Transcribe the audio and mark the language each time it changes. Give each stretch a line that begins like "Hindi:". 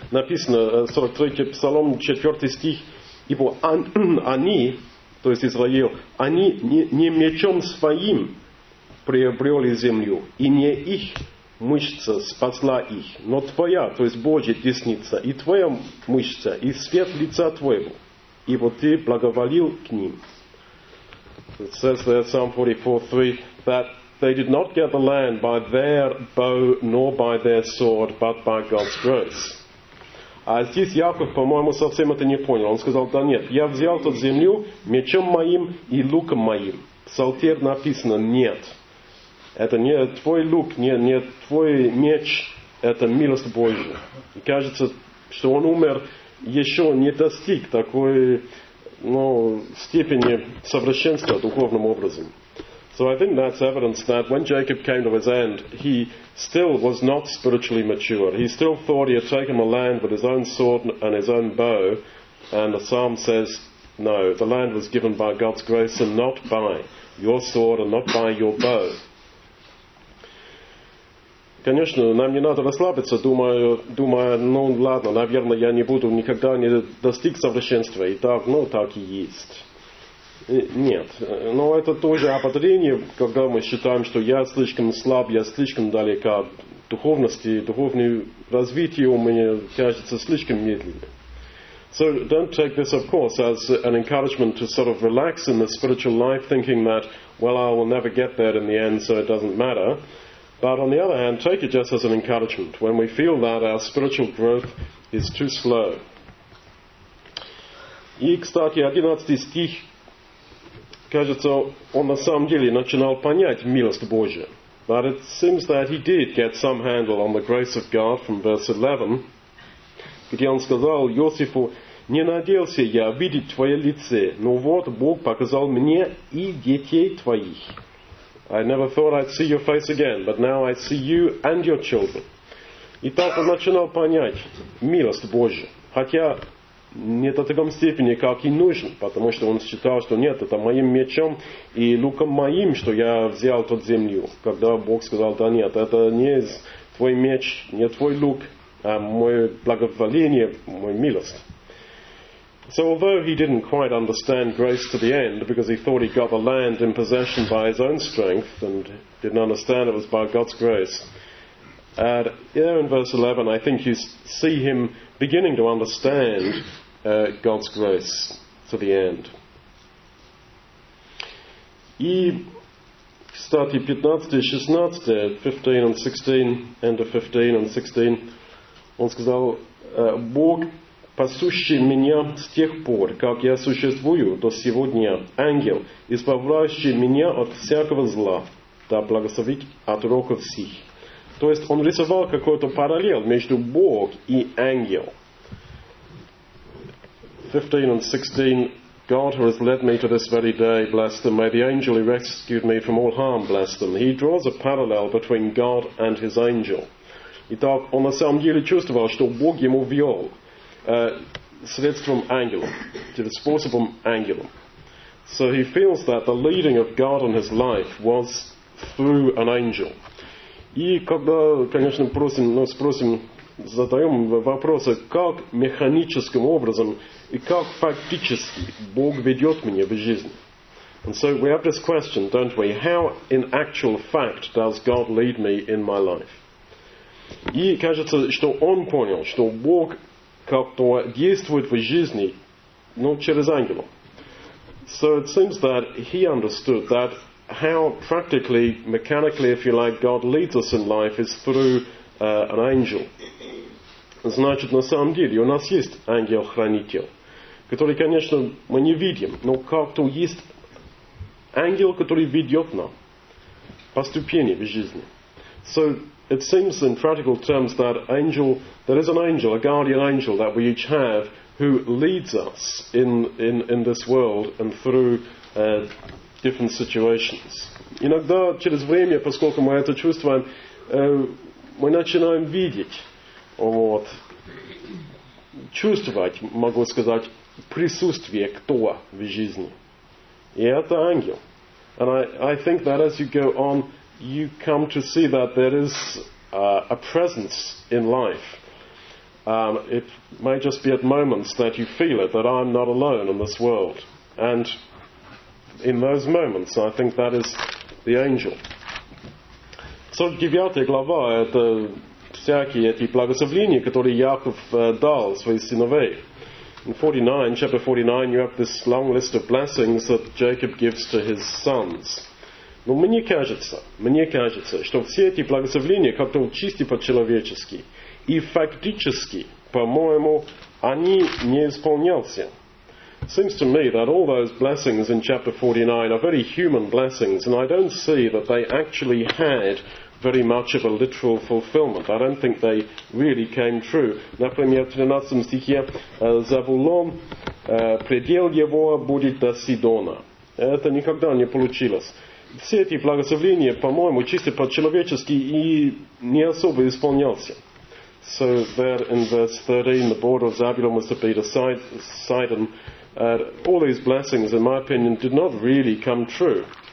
Russian: Написано 43-й Псалом, 4-й стих. Ибо они, то есть Израил, они не мечом своим приобрели землю, и не их мышца спасла их, но твоя, то есть Божья десница, и твоя мышца, и свет лица твоего, ибо ты благоволил к ним.
English: It says there, Psalm 44:3, that they did not get the land by their bow nor by their sword, but by God's grace.
Russian: А здесь Яков, по-моему, совсем это не понял. Он сказал, да нет, я взял тут землю мечом моим и луком моим. Псалтир написано, нет. Это не твой лук, не твой меч, это милость Божья. И кажется, что он умер, еще не достиг такой, ну, степени совершенства духовным образом.
English: So I think that's evidence that when Jacob came to his end, he still was not spiritually mature. He still thought he had taken the land with his own sword and his own bow. And the psalm says, no, the land was given by God's grace and not by your sword and not by your bow.
Russian: Конечно, нам не надо расслабиться, думая, ну ладно, наверное, я не буду никогда не достиг совершенства, и так, ну так и есть. Нет, но это тоже ободрение, когда мы считаем, что я слишком слаб, я слишком далека от духовности, духовное развитие у меня кажется слишком медленным.
English: So don't take this, of course, as an encouragement to sort of relax in the spiritual life, thinking that, well, I will never get there in the end, so it doesn't matter. But on the other hand, take it just as an encouragement when we feel that our spiritual growth is too slow.
Russian: И, кстати, 11 стих, кажется, он на самом деле начинал понять милость Божия.
English: But it seems that he did get some handle on the grace of God from verse 11,
Russian: где он сказал Иосифу, «Не надеялся я видеть твое лице, но вот Бог показал мне и детей твоих».
English: I never thought I'd see your face again, but now I see you and your children.
Russian: И так он начинал понять милость Божия, хотя не до такой степени, как и нужен, потому что он считал, что нет, это моим мечом и луком моим, что я взял тут землю, когда Бог сказал, да нет, это не твой меч, не твой лук, а мое благоволение, моя милость.
English: So although he didn't quite understand grace to the end, because he thought he got the land in possession by his own strength and didn't understand it was by God's grace, there in verse 11 I think you see him beginning to understand God's grace to the end.
Russian: И, кстати, 15-16, он сказал, Бог пасущий меня с тех пор, как я существую до сегодня, ангел, избавляющий меня от всякого зла, да благословит от роков сих. То есть он рисовал какой-то параллель между Бог и ангел.
English: 15 and 16, God who has led me to this very day, bless them. May the angel who rescued me from all harm, bless them. He draws a parallel between God and his angel.
Russian: Итак, он на самом деле чувствовал, что Бог ему вел. Средством ангелом, способом ангелом.
English: So he feels that the leading of God on his life was through an angel.
Russian: И когда, конечно, спросим, задаем вопросы, как механическим образом и как фактически Бог ведет меня в жизни.
English: And so we have this question, don't we? How in actual fact does God lead me in my life?
Russian: И кажется, что он понял, что Бог как-то действует в жизни, но через ангела.
English: So it seems that he understood that how practically, mechanically, if you like, God leads us in life is through an angel.
Russian: Значит, на самом деле, у нас есть ангел-хранитель, который, конечно, мы не видим, но как-то есть ангел, который ведет нам по ступени в жизни.
English: So it seems in practical terms that angel, there is an angel, a guardian angel that we each have, who leads us in this world and through different situations.
Russian: Иногда через время, поскольку мы это чувствуем, мы начинаем видеть, вот, чувствовать, могу сказать, присутствие кто в жизни. И это ангел.
English: And I think that as you go on, you come to see that there is a presence in life. It may just be at moments that you feel it, that I'm not alone in this world. And in those moments, I think that is the angel. So,
Russian: в 9 главе, это всякие эти благословения, которые Яков дал своей сыновей.
English: In 49, chapter 49, you have this long list of blessings that Jacob gives to his sons.
Russian: Но мне кажется, что все эти благословения как-то чисто по-человечески. И фактически, по-моему, они не исполнялся.
English: Seems to me that all those blessings in chapter 49 are very human blessings, and I don't see that they actually had very much of a literal fulfillment. I don't think they really came true.
Russian: Например, в 13 стихе «Завулон, предел его будет до Сидона». Это никогда не получилось. Все эти благословения, по-моему, чисто по-человечески и не особо исполнялся.
English: So there in verse 13, the border of Zabulon was to be to Sidon. All these blessings, in my opinion, did not really come true.